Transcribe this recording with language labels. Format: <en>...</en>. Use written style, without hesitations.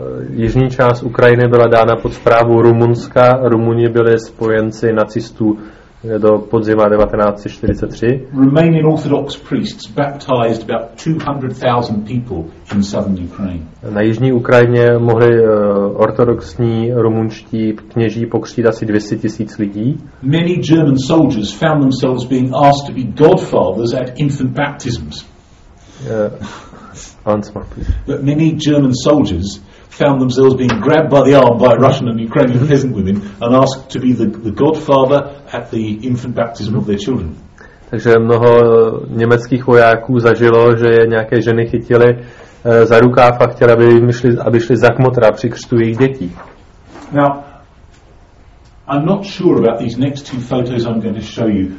<cs>Jižní část Ukrajiny byla dána pod správu Rumunska. Rumuni byli spojenci nacistů do podzima 1943.</cs> <en>Romanian Orthodox priests baptized about 200,000 people in southern Ukraine.</en> <cs>Na jižní Ukrajině mohli ortodoxní rumunští kněží pokřtít asi 200 tisíc lidí.</cs> <en>Many German soldiers found themselves being asked to be godfathers at infant baptisms. Answer, please. But many German soldiers found themselves being grabbed by the arm by Russian and Ukrainian peasant women and asked to be the godfather at the infant baptism of their children.</en> <cs>Takže mnoho německých vojáků zažilo, že je nějaké ženy chytili za rukáv a chtěli, aby šli za kmotra při křtu jejich dětí.</cs> <en>Now, I'm not sure about these next two photos I'm going to show you.</en>